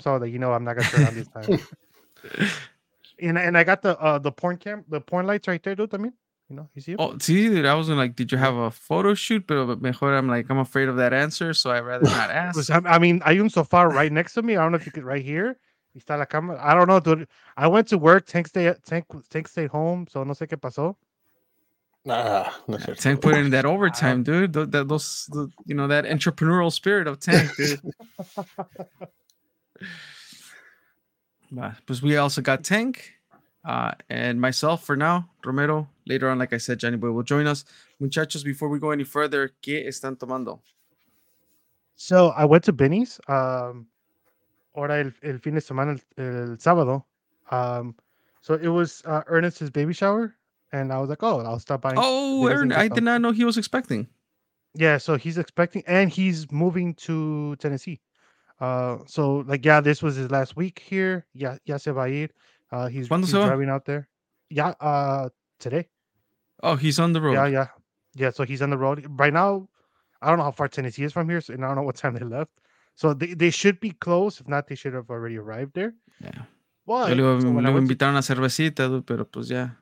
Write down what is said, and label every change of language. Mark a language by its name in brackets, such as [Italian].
[English] So, like, you know, I'm not going to turn on this time. And I got the porn lights right there, dude, I mean. You know, you see him? Oh, see, I was like, did you have a photo shoot? But mejor, I'm like, I'm afraid of that answer, so I'd rather not ask. I mean, [Spanish] hay un sofá [English] right next to me. I don't know if you could, right here. [Spanish] Está la cámara. [English] I don't know, dude. I went to work. Tank stayed home, so [Spanish] no sé qué pasó. [English] Nah, Tank put in that overtime, dude. That entrepreneurial spirit of Tank, dude. But we also got Tank. And myself for now, Romero. Later on, like I said, Johnny Boy will join us. Muchachos, before we go any further, [Spanish] ¿qué están tomando? [English] So I went to Benny's. [Spanish] Ahora el fin de semana, el sábado. [English] So it was Ernest's baby shower. And I was like, oh, I'll stop by. Oh, Ernest, I did not know he was expecting. Yeah, so he's expecting. And he's moving to Tennessee. So, like, yeah, this was his last week here. [Spanish] Ya se va a ir. [English] He's driving out there. Yeah, today. Oh, he's on the road. Yeah. So he's on the road right now. I don't know how far Tennessee is from here, and I don't know what time they left. So they should be close. If not, they should have already arrived there. Yeah. [Spanish] Well, me invitaron a cervecita, pero pues ya.